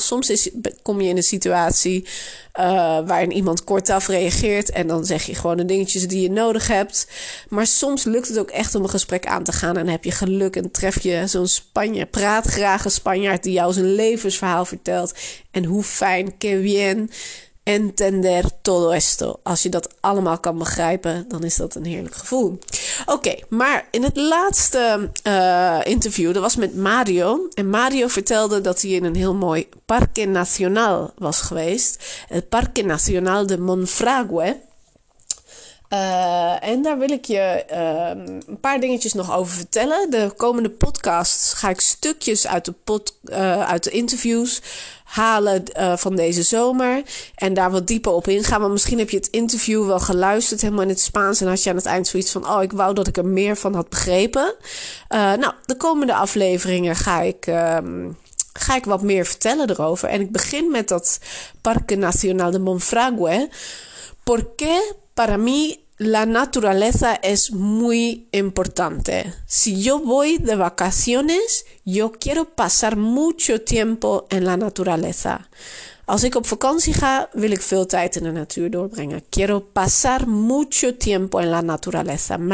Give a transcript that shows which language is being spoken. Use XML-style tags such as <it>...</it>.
<nl>Soms kom je in een situatie waarin iemand kortaf reageert en dan zeg je gewoon de dingetjes die je nodig hebt. Maar soms lukt het ook echt om een gesprek aan te gaan en heb je geluk en tref je zo'n Spanjaard. Praat graag een Spanjaard die jou zijn levensverhaal vertelt. En hoe fijn,</nl> <es>qué bien entender todo esto.</es> <nl>Als je dat allemaal kan begrijpen, dan is dat een heerlijk gevoel. Oké, maar in het laatste interview, dat was met Mario. En Mario vertelde dat hij in een heel mooi Parque Nacional was geweest. El Parque Nacional de Monfragüe. En daar wil ik je een paar dingetjes nog over vertellen. De komende podcasts ga ik stukjes uit de interviews halen van deze zomer en daar wat dieper op ingaan. Want misschien heb je het interview wel geluisterd helemaal in het Spaans en had je aan het eind zoiets van, oh, ik wou dat ik er meer van had begrepen. Nou, de komende afleveringen ga ik wat meer vertellen erover. En ik begin met dat Parque Nacional de Monfragüe.</nl> <es>¿Por qué para mí La naturaleza es muy importante. Si yo voy de vacaciones, yo quiero pasar mucho tiempo en la naturaleza.</es> <nl>Als ik op vakantie ga, wil ik veel tijd in de natuur doorbrengen.</nl> <es>Quiero pasar mucho tiempo en la naturaleza.</es>